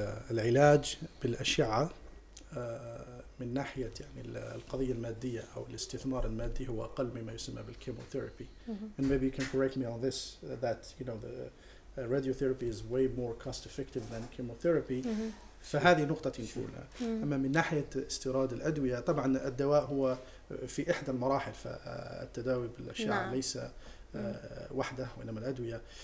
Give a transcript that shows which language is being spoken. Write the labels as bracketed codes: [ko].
[ar] العلاج بالأشعة من ناحية يعني القضية المادية أو الاستثمار المادي هو أقل مما يسمى بالكيموثيرابي. [en] And maybe you can correct me on this, that you know the radiotherapy is way more cost effective than chemotherapy. [ar] فهذه نقطة أولى. أما من ناحية استيراد الأدوية طبعا الدواء هو في إحدى المراحل فالتداوي بالأشعة ليس وحده وإنما الأدوية.